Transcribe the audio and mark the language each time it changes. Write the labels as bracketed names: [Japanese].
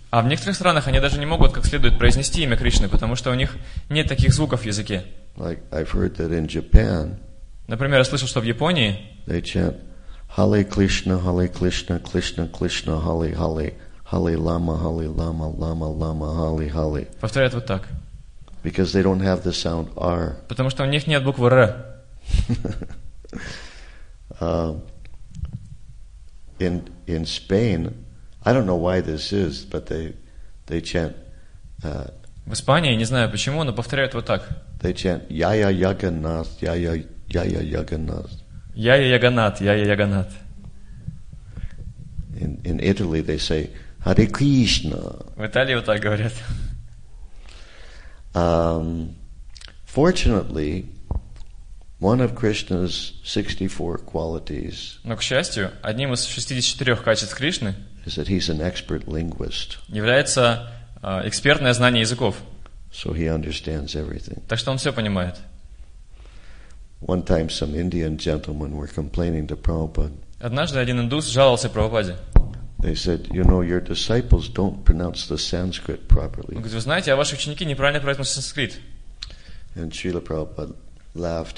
[Russian] А в некоторых странах они даже не могут как следует произнести имя Кришны, потому что у них нет таких звуков в языке. [English] Like I've heard that in Japan. [Russian] Например, я слышал, что в Японии [English] they chant Hare Krishna, Hare Krishna, Krishna Krishna, Hare Hare, Hare Lama, Hare Lama, Lama Lama, Hare Hare. [Russian] Повторяют вот так. [English] Because they don't have the sound R. [Russian] Потому что у них нет буквы Р. [English] In Spain, I don't know why this is, but they chant. [Russian] В Испании, не знаю почему, но повторяют вот так. [English] They chant Yaya Yaganath, Yaya. Yaya Yaganath. Yaya Yaganath. Yaya Yaganath. In Italy they say Hare Krishna. [Russian] В Италии вот так говорят. [English] Fortunately, one of Krishna's 64 qualities. [Russian] Но к счастью, одним из 64 качеств Кришны [English] is that he's an expert linguist. [Russian] Является экспертное знание языков. [English] So he understands everything. [Russian] Так что он все понимает. [English] One time some Indian gentlemen were complaining to Prabhupada. [Russian] Однажды один индус жаловался Прабхупаде. [English] They said, you know, your disciples don't pronounce the Sanskrit properly. [Russian] Он говорит, вы знаете, а ваши ученики неправильно произносят санскрит. [English] And Srila Prabhupada laughed.